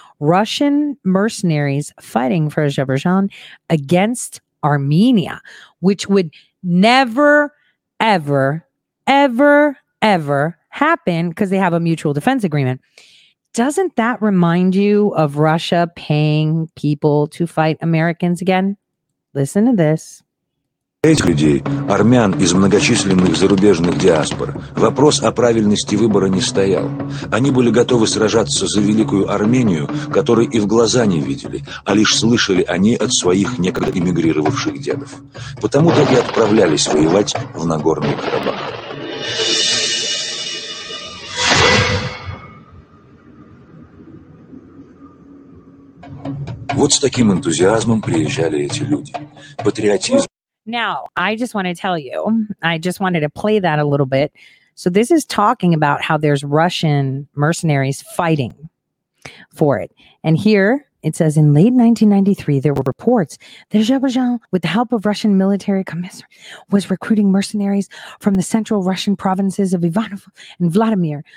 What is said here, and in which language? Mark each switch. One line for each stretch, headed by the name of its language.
English: Russian mercenaries fighting for Azerbaijan against Armenia, which would never, ever, ever, ever happen because they have a mutual defense agreement. Doesn't that remind you of Russia paying people to fight Americans again? Listen to this.
Russian: Этих людей, армян из многочисленных зарубежных диаспор, вопрос о правильности выбора не стоял. Они были готовы сражаться за великую Армению, которой и в глаза не видели, а лишь слышали они от своих некогда эмигрировавших дедов. Потому-то и отправлялись воевать в Нагорный Карабах. Вот с таким энтузиазмом приезжали эти люди. Патриотизм.
English: Now, I just want to tell you, I just wanted to play that a little bit. So this is talking about how there's Russian mercenaries fighting for it. And here it says, in late 1993, there were reports that Azerbaijan, with the help of Russian military commissars, was recruiting mercenaries from the central Russian provinces of Ivanov and Vladimir.